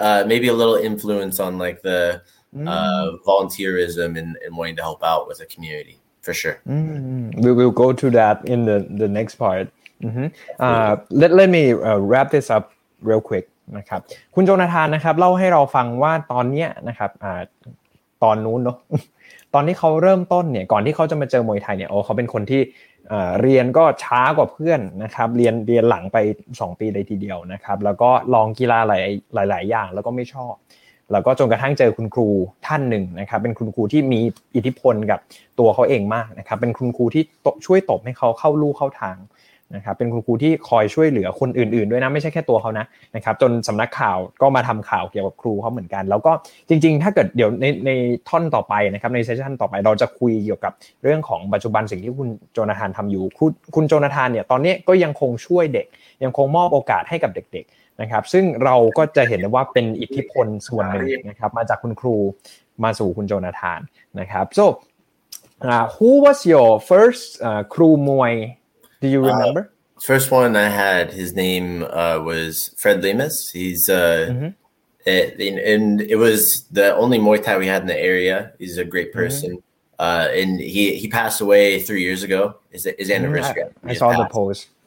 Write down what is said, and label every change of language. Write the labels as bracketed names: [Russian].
[English] maybe a little influence on like the volunteerism and wanting to help out with the community for sure. We will go to that in the next part. Let me wrap this up real quick. [Thai] นะครับคุณโจนาธานนะครับเล่าให้เราฟังว่าตอนเนี้ยนะครับตอนนู้นเนาะตอนที่เขาเริ่มต้นเนี่ยก่อนที่เขาจะมาเจอมวยไทยเนี่ยโอ้เขาเป็นคนที่เรียนก็ช้ากว่าเพื่อนนะครับเรียนหลังไป2ปีเลยทีเดียวนะครับแล้วก็ลองกีฬาห ลายอย่างแล้วก็ไม่ชอบแล้วก็จนกระทั่งเจอคุณครูท่านหนึ่งนะครับเป็นคุณครูที่มีอิทธิพลกับตัวเขาเองมากนะครับเป็นคุณครูที่ช่วยตบให้เขาเข้าลู่เข้าทาง นะครับเป็นคุณครูที่คอยช่วยเหลือคนอื่นๆด้วยนะไม่ใช่แค่ตัวเขานะนะครับจนสำนักข่าวก็มาทำข่าวเกี่ยวกับครูเขาเหมือนกันแล้วก็จริงๆถ้าเกิดเดี๋ยวในท่อนต่อไปนะครับในเซสชันต่อไปเราจะคุยเกี่ยวกับเรื่องของปัจจุบันสิ่งที่คุณโจนาธานทำอยู่ คุณโจนาธานเนี่ยตอนนี้ก็ยังคงช่วยเด็กยังคงมอบโอกาสให้กับเด็กๆนะครับซึ่งเราก็จะเห็นได้ว่าเป็นอิทธิพลส่วนหนึ่งนะครับมาจากคุณครูมาสู่คุณโจนาธานนะครับ so who was your first ครูมวย Do you remember? [English] First one I had, his name was Fred Lemus. He's and it was the only Muay Thai we had in the area. He's a great person. And he passed away 3 years ago. His anniversary. I saw the post.